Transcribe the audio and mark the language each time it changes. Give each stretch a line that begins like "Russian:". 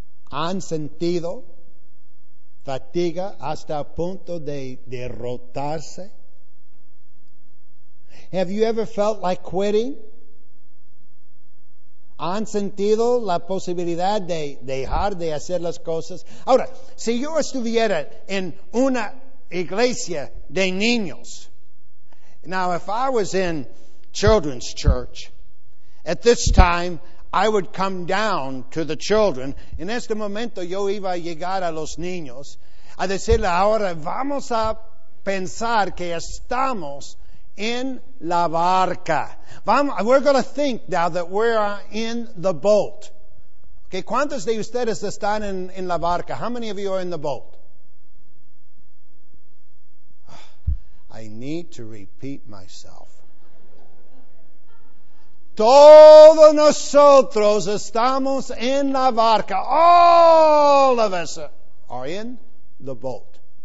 Spanish: ¿Han sentido fatiga hasta el punto de derrotarse?
English: Have you ever felt like quitting?
Spanish: ¿Han sentido la posibilidad de dejar de hacer las cosas? Ahora, si yo estuviera en una iglesia de niños,
English: now if I was in children's church, at this time I would come down to the children.
Spanish: En este momento yo iba a llegar a los niños a decirle, ahora vamos a pensar que estamos in la barca.
English: We're going to think now that we're in the boat.
Spanish: Okay, ¿cuántos de ustedes están en la barca?
English: How many of you are in the boat? I need to repeat myself.
Spanish: Todos nosotros estamos en la barca.
English: All of us are in the boat.